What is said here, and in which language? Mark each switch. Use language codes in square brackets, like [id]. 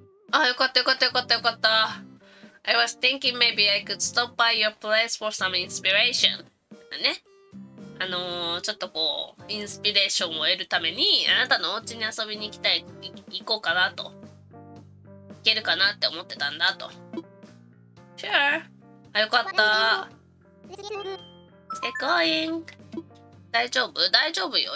[ja] あ、よかったよかったよかったよかった。 [en] I was thinking maybe I could stop by your place for some inspiration. [ja] ね。ちょっとこう、インスピレーションを得るために、あなたのお家に遊びに行こうかなと。行けるかなって思ってたんだと。 Sure. あ、よかった。 [en] Stay going. [ja] 大丈夫？大丈夫よ。